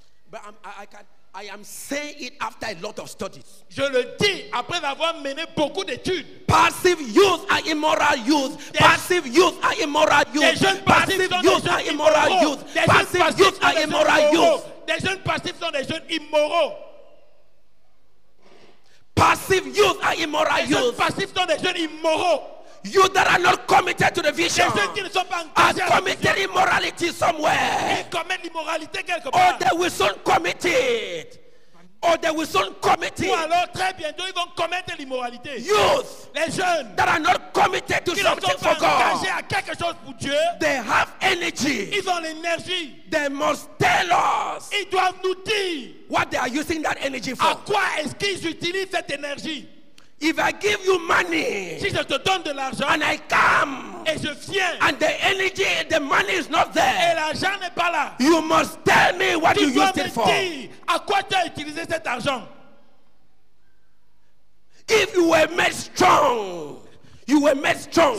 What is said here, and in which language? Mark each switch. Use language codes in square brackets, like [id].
[en] But I am saying it after a lot of studies. [fr] Je le dis après avoir mené beaucoup d'études. [en] Passive youth are immoral youth. Passive youth are immoral youth. [fr] Des jeunes passifs sont des jeunes immoraux. [en] Passive youth are immoral youth. [fr] Des jeunes passifs sont des jeunes immoraux. [en] Passive youth are immoral [fr] les [en] youth. [fr] Les passifs sont des jeunes immoraux. [en] You that are not committed to the vision, [fr] les jeunes qui ne sont pas engagés à la vision, [en] are committed immorality somewhere. [fr] Ils commettent l'immoralité quelque part. [en] Or they will soon commit it. Or they will soon commit it. [fr] Ou alors très bientôt ils vont commettre l'immoralité. [en] Youth, [fr] les jeunes, [en] that are not committed to something for God, [fr] qui ne sont pas engagés à quelque chose pour Dieu, [en] they have energy. [fr] Ils ont l'énergie. [en] They must tell us. [fr] Ils doivent nous dire. [en] What they are using that energy for? [fr] À quoi est-ce qu'ils utilisent cette énergie? [en] If I give you money, [fr] si je te donne de l'argent, [en] and I come, [fr] et je viens, [en] and the energy, the money is not there, [fr] et l'argent n'est pas là, [en] you must tell me what you used it for. [fr] Tu dois me dire à quoi tu as utilisé cet argent. [en] If you were made strong, you were made strong.